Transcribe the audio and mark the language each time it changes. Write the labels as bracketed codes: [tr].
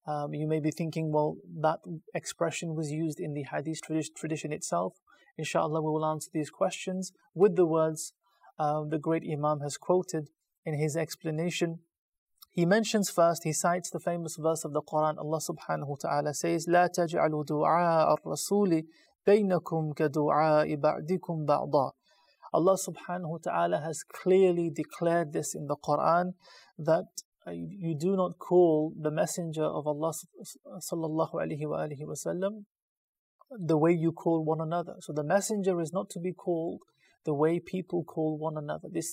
[en] You may be thinking, well, that expression was used in the hadith tradition itself. Inshallah, we will answer these questions with the words the great Imam has quoted in his explanation. He mentions first, he cites the famous verse of the Quran. Allah subhanahu wa ta'ala says, [ar] لا تجعلوا دعاء الرسول بينكم كدعاء بعضكم بعضا. [en] Allah subhanahu wa ta'ala has clearly declared this in the Quran, that you do not call the Messenger of Allah sallallahu alayhi wa alihi wa sallam the way you call one another. So the Messenger is not to be called the way people call one another.